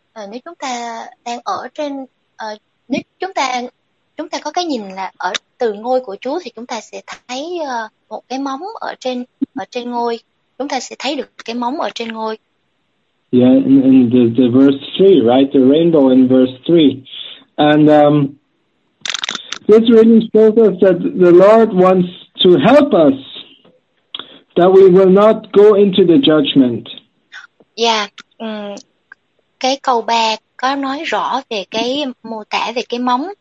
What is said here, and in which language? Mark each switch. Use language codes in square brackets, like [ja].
[vi] Nếu chúng ta đang ở trên nếu chúng ta có cái nhìn là ở từ ngôi của Chúa thì chúng ta sẽ thấy một cái móng ở trên ngôi. Chúng ta sẽ thấy được cái móng ở trên ngôi. [en] Yeah, in the verse 3, right? The rainbow in verse 3. And this really shows us that the Lord wants to help us that we will not go into the judgment. [vi] Yeah, cái câu 3 có nói rõ về cái mô tả về cái móng.